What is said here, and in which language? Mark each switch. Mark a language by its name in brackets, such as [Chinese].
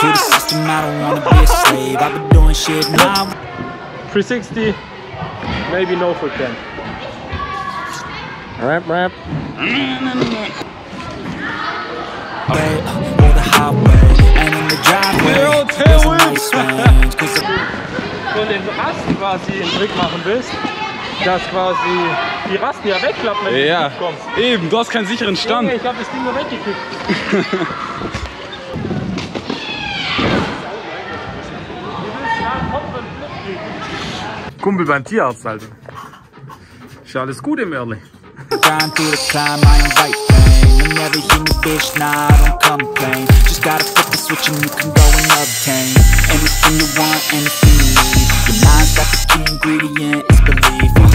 [English] To the system, I don't wanna be a slave. I've been doing shit now. 360, maybe no for 10. Ramp, ramp. Over the highway and in the driveway. We're all tailwinds! [German] Cause von dem Rasten quasi einen Trick machen willst. Dass quasi die Rasten ja wegklappen, wenn du ja kommst. Eben, du hast keinen sicheren Stand. Ich hab das Ding nur weggekippt. Kumpel beim Tierarzt, Alter. Ist ja alles gut im Early. [English] Grind through the climb, I invite pain. You never hear me, bitch, nah, I don't complain. Just gotta flip the switch and you can go and obtain anything you want, anything you need. Your mind's got the key ingredient, it's belief.